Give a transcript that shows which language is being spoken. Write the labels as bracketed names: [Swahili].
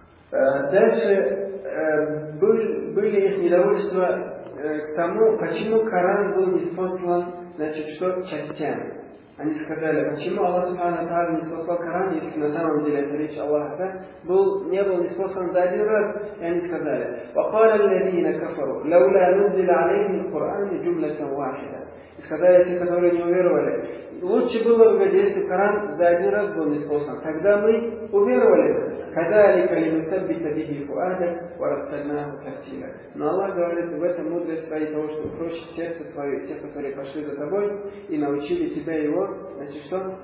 [Russian] Дальше были их недовольства к тому, почему Коран был ниспослан, значит, что частями. Они сказали: почему Аллах Субхана Тааля ниспослал Коран, если на самом деле это речь Аллаха, да, не был ниспослан за один раз? И они сказали: [Arabic] وقال الذين كفروا لولا نزل عليهم القرآن جملة واحدة. [Russian] И сказали те, которые не уверовали: лучше было бы, если Коран за один раз был ниспослан, тогда мы уверовали. [Arabic] كذلك لنثبت به فؤادك ورتبناه ترتيلا. [Russian] Но Аллах говорит: в этом мудрость твоя, того, что упрощит сердце твое, те, которые пошли за тобой и научили тебя его, значит, что?